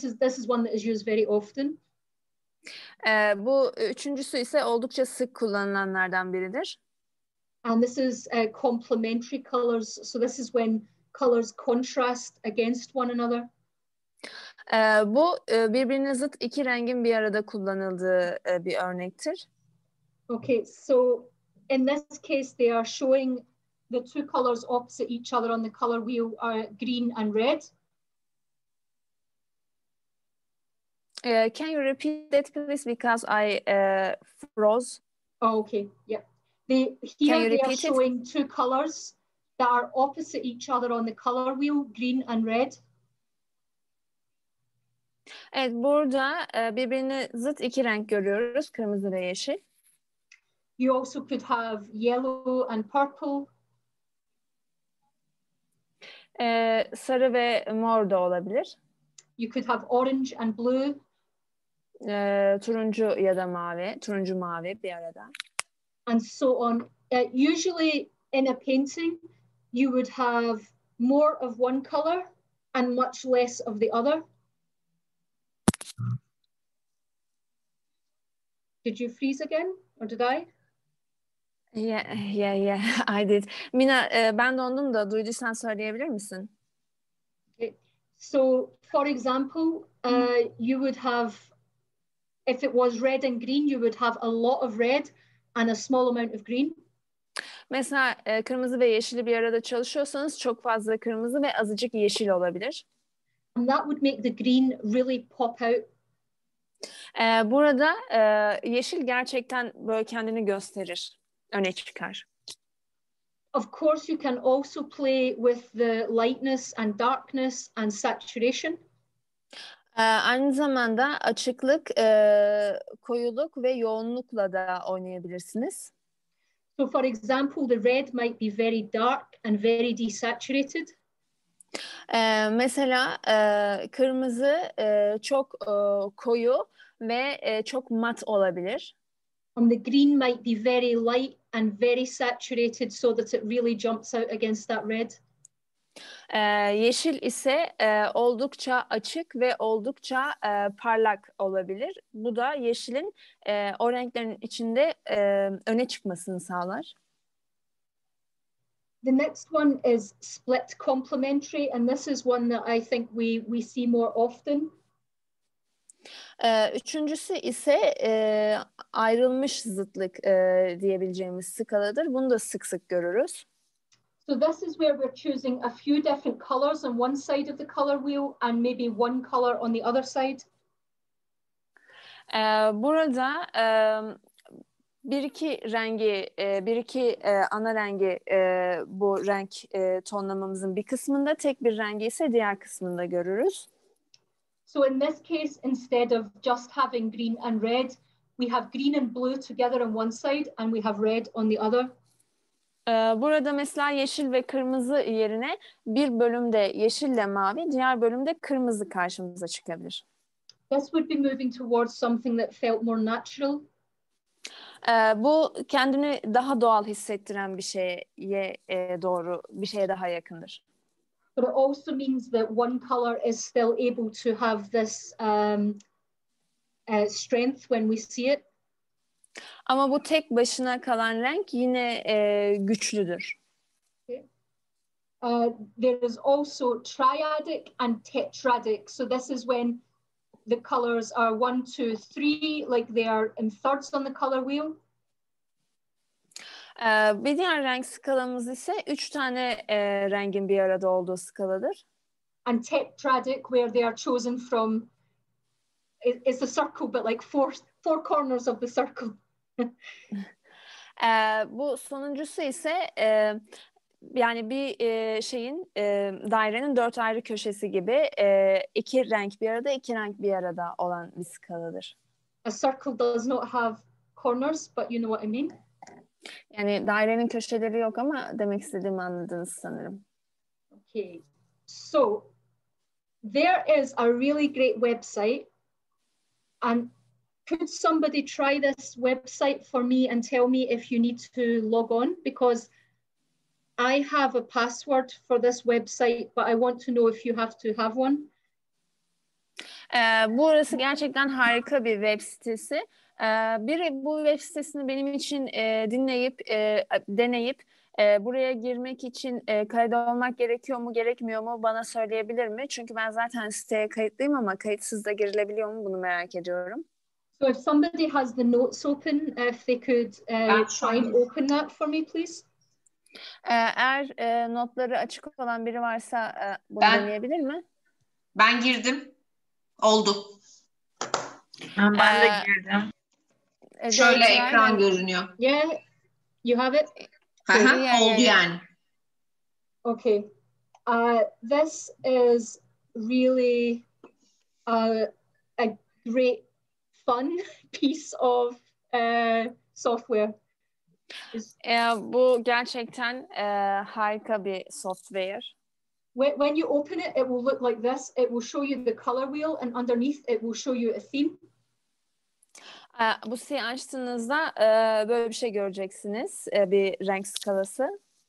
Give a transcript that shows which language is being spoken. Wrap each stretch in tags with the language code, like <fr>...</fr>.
<en>This is one that is used very often.</en> <tr>Bu üçüncüsü ise oldukça sık kullanılanlardan biridir.</tr> <en>And this is complementary colors. So this is when colors contrast against one another.</en> <tr>Bu birbirine zıt iki rengin bir arada kullanıldığı bir örnektir.</tr> <en>Okay, so in this case they are showing the two colors opposite each other on the color wheel are green and red. Can you repeat that please, because I froze. Oh, okay, yeah. They are showing two colors that are opposite each other on the color wheel, green and red.</en> <tr>Evet, burada birbirine zıt iki renk görüyoruz, kırmızı ve yeşil.</tr> <en>You also could have yellow and purple.</en> <tr>Sarı ve mor da olabilir.</tr> <en>You could have orange and blue.</en> <tr>Turuncu ya da mavi, turuncu mavi bir arada.</tr> <en>And so on. Usually in a painting, you would have more of one color and much less of the other. Did you freeze again, or did I? Yeah, I did.</en> <tr>Mina, ben dondum da duyduysan söyleyebilir misin?</tr> <en>Okay. So, for example, you would have, if it was red and green, you would have a lot of red and a small amount of green.</en> <tr>Mesela kırmızı ve yeşili bir arada çalışıyorsanız çok fazla kırmızı ve azıcık yeşil olabilir.</tr> <en>And that would make the green really pop out.</en> <tr>Burada yeşil gerçekten böyle kendini gösterir, öne çıkar.</tr> <en>Of course you can also play with the lightness and darkness and saturation.</en> <tr>Aynı zamanda açıklık, koyuluk ve yoğunlukla da oynayabilirsiniz.</tr> <en>So for example, the red might be very dark and very desaturated.</en> <tr>Mesela kırmızı çok koyu ve çok mat olabilir.</tr> <en>And the green might be very light and very saturated so that it really jumps out against that red.</en> <tr>Yeşil ise oldukça açık ve oldukça parlak olabilir. Bu da yeşilin o renklerin içinde öne çıkmasını sağlar.</tr> <en>The next one is split complementary, and this is one that I think we see more often.</en> <tr>Üçüncüsü ise ayrılmış zıtlık diyebileceğimiz skaladır. Bunu da sık sık görürüz.</tr> <en>So this is where we're choosing a few different colors on one side of the color wheel and maybe one color on the other side.</en> <tr>Burada bir iki rengi, bir iki ana rengi bu renk tonlamamızın bir kısmında, tek bir rengi ise diğer kısmında görürüz.</tr> <en>So in this case, instead of just having green and red, we have green and blue together on one side and we have red on the other.</en> <tr>Burada mesela yeşil ve kırmızı yerine bir bölümde yeşille mavi, diğer bölümde kırmızı karşımıza çıkabilir.</tr> <en>This would be moving towards something that felt more natural.</en> <tr>Bu kendini daha doğal hissettiren bir şeye doğru, bir şeye daha yakındır.</tr> <en>But it also means that one color is still able to have this strength when we see it.</en> <tr>Ama bu tek başına kalan renk yine güçlüdür.</tr> <en>Okay. There is also triadic and tetradic. So this is when the colors are one, two, three, like they are in thirds on the color wheel.</en> <tr>Bir diğer renk skalamız ise üç tane rengin bir arada olduğu skaladır.</tr> <en>And tetradic, where they are chosen from, it's a circle, but like four corners of the circle.</en> <tr>Bu sonuncusu ise yani bir şeyin dairenin dört ayrı köşesi gibi iki renk bir arada, iki renk bir arada olan bir skaladır.</tr> <en>A circle does not have corners, but you know what I mean.</en> <tr>Yani dairenin köşeleri yok ama demek istediğimi anladınız sanırım.</tr> <en>Okay. So there is a really great website, and could somebody try this website for me and tell me if you need to log on? Because I have a password for this website, but I want to know if you have to have one.</en> <tr>Burası gerçekten harika bir web sitesi. Biri bu web sitesini benim için dinleyip, deneyip, buraya girmek için kayıt olmak gerekiyor mu, gerekmiyor mu bana söyleyebilir mi? Çünkü ben zaten siteye kayıtlıyım ama kayıtsız da girilebiliyor mu, bunu merak ediyorum.</tr> <en>So if somebody has the notes open, if they could try and open that for me, please.</en> <tr>Eğer notları açık olan biri varsa bunu deneyebilir mi? Ben girdim. Oldu. Ben de girdim. Şöyle ekran görünüyor.</tr> <en>Yeah, you have it?</en> <tr>Oldu yani.</tr> <en>Okay. This is really a great fun piece of software.</en> <tr>Bu gerçekten harika bir software.</tr> <en>When you open it, it will look like this. It will show you the color wheel, and underneath it will show you a theme.</en> <tr>Bu siteyi açtığınızda böyle bir şey göreceksiniz, bir renk skalası.</tr>